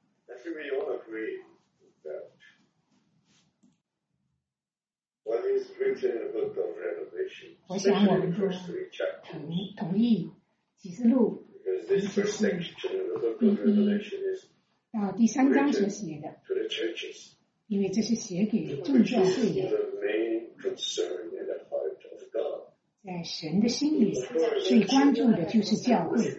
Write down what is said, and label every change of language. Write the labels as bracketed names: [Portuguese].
[English] Actually, we all agree that what is written in the book of Revelation, especially in the first three chapters, [Chinese] 同意启示录, [English] because this first section of the book of Revelation is [Chinese] 到第三章所写的, [English] to the churches, [Chinese] 因为这是写给众教会的, [English] the main concern in the heart of God. [Chinese] 在神的心里, 最关注的就是教会。